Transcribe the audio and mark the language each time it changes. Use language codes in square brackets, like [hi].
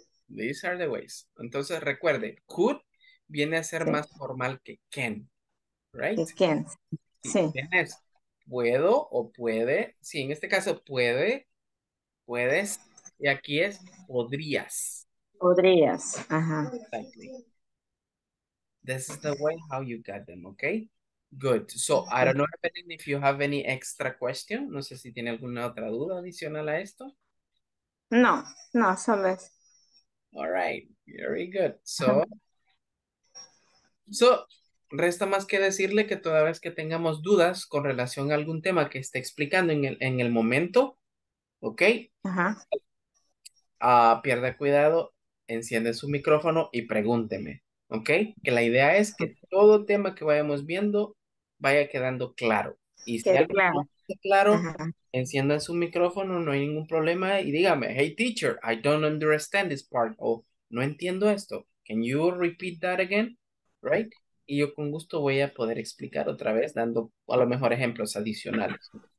[en] These are the ways. [es] Entonces recuerde, could viene a ser sí. Más formal que can. [en] Right? [es] Que can. Sí. ¿Tienes? ¿Puedo o puede? Sí, en este caso puede, puedes, y aquí es podrías. Podrías, ajá. [en] Exactly. This is the way how you got them, okay? Good. So, I don't know, Evelyn, if you have any extra question. [es] No sé si tiene alguna otra duda adicional a esto. No, no, solo es. [en] All right, very good. So... [es] Resta más que decirle que toda vez que tengamos dudas con relación a algún tema que esté explicando en el momento, ¿ok? Ajá. Pierda cuidado, enciende su micrófono y pregúnteme, ¿ok? Que la idea es que todo tema que vayamos viendo vaya quedando claro. Y si algo claro, no está claro, encienda su micrófono, no hay ningún problema. Y dígame, [en] hey teacher, I don't understand this part. [es] O no entiendo esto. [en] Can you repeat that again? Right? [es] Y yo con gusto voy a poder explicar otra vez, dando a lo mejor ejemplos adicionales.